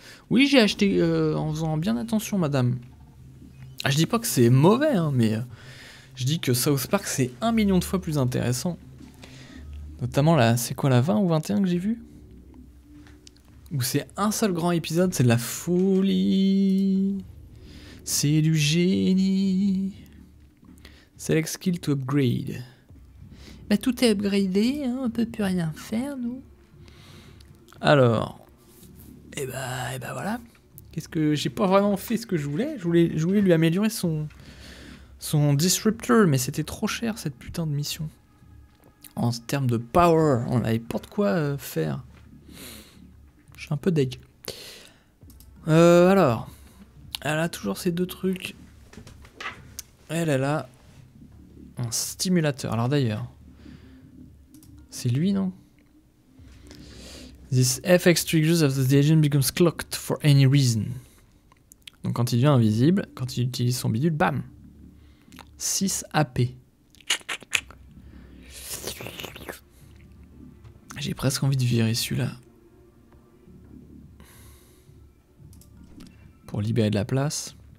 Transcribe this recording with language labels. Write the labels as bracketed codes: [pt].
[fr] Oui, j'ai acheté en faisant bien attention, madame. Je dis pas que c'est mauvais, hein, mais je dis que South Park c'est un million de fois plus intéressant. Notamment la, c'est quoi, la 20 ou 21 que j'ai vu? Où c'est un seul grand épisode, c'est de la folie. C'est du génie. [en] Select skill to upgrade. [fr] Bah tout est upgradé, hein, on peut plus rien faire, nous. Alors. Et bah voilà. Qu'est-ce que... J'ai pas vraiment fait ce que je voulais. Je voulais lui améliorer son disruptor, mais c'était trop cher, cette putain de mission. En termes de power, on avait pas de quoi faire. Je suis un peu deg. Alors. Elle a toujours ces deux trucs. Elle a... un stimulateur. Alors d'ailleurs, C'est lui, non? [en] This FX triggers after the agent becomes clocked for any reason. [fr] Donc quand il devient invisible, quand il utilise son bidule, bam! 6 AP. J'ai presque envie de virer celui-là. Pour libérer de la place.